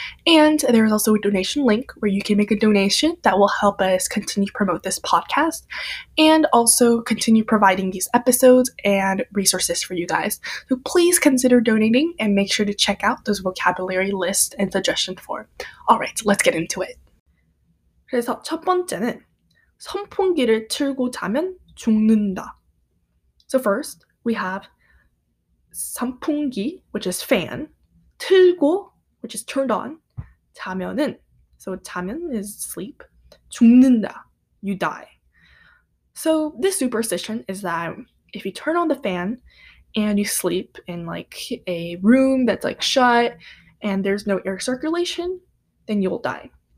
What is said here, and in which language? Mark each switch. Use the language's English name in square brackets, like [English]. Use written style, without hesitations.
[English] And there's also a donation link where you can make a donation that will help us continue to promote this podcast and also continue providing these episodes and resources for you guys. So please consider donating and make sure to check out those vocabulary lists and suggestion form. All right, let's get into it. [Korean] 그래서 첫 번째는 선풍기를 틀고 자면 죽는다. [English] So first, we have 선풍기, which is fan, 틀고, which is turned on, 자면은, so 자면 is sleep, 죽는다, you die. So this superstition is that if you turn on the fan and you sleep in like a room that's like shut and there's no air circulation, then you'll die.